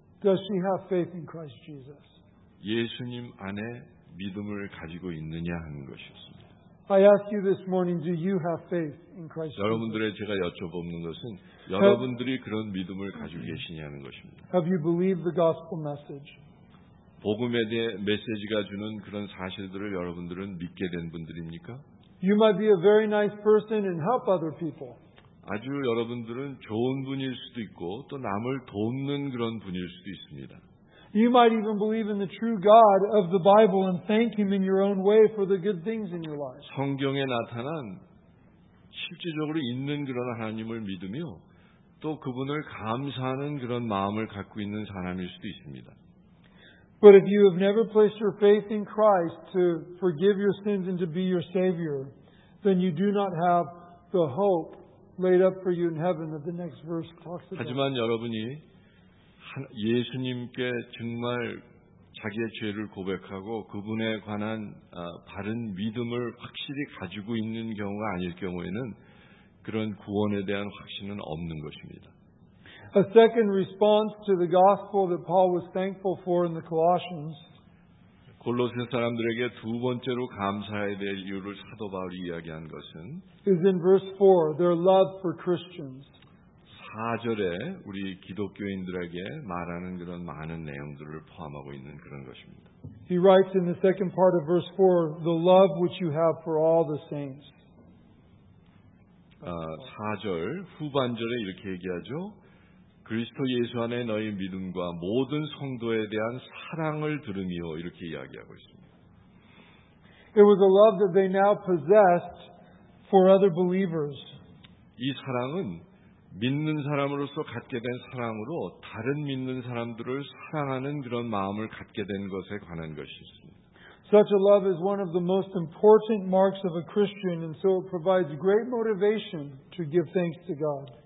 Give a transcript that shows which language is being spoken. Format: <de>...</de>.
<en>Does she have faith in Christ Jesus?</en> <ko>예수님 안에 믿음을 가지고 있느냐 하는 것이었습니다.</ko> <en>I ask you this morning, do you have faith in Christ?</en> <ko>여러분들의 제가 여쭤보는 것은 여러분들이 그런 믿음을 가지고 계시냐는 것입니다.</ko> <en>Have you believed the gospel message?</en> <ko>복음에 대해 메시지가 주는 그런 사실들을 여러분들은 믿게 된 분들입니까?</ko> <en>You might be a very nice person and help other people.</en> <ko>아주 여러분들은 좋은 분일 수도 있고 또 남을 돕는 그런 분일 수도 있습니다.</ko> <en>You might even believe in the true God of the Bible and thank Him in your own way for the good things in your life.</en> <ko>성경에 나타난 실제적으로 있는 그런 하나님을 믿으며 또 그분을 감사하는 그런 마음을 갖고 있는 사람일 수도 있습니다.</ko> <en>But if you have never placed your faith in Christ to forgive your sins and to be your Savior, then you do not have the hope laid up for you in heaven that the next verse talks about.</en> <ko>하지만 여러분이 예수님께 정말 자기의 죄를 고백하고 그분에 관한 바른 믿음을 확실히 가지고 있는 경우가 아닐 경우에는 그런 구원에 대한 확신은 없는 것입니다.</ko> <en>A second response to the gospel that Paul was thankful for in the Colossians.</en> <ko>골로새 사람들에게 두 번째로 감사해야 될 이유를 사도 바울이 이야기한 것은</ko> <en>is in verse 4, their love for Christians.</en> <ko>4절에 우리 기독교인들에게 말하는 그런 많은 내용들을 포함하고 있는 그런 것입니다.</ko> <en>He writes in the second part of verse 4, the love which you have for all the saints.</en> <ko>4절 후반절에 이렇게 얘기하죠. 그리스도 예수 안에 너희 믿음과 모든 성도에 대한 사랑을 들음이요 이렇게 이야기하고 있습니다.</ko> <en>It was a love that they now possessed for other believers.</en> <ko>이 사랑은 믿는 사람으로서 갖게 된 사랑으로 다른 믿는 사람들을 사랑하는 그런 마음을 갖게 된 것에 관한 것이었습니다.</ko> <en>Such a love is one of the most important marks of a Christian, and so it provides great motivation to give thanks to God.</en>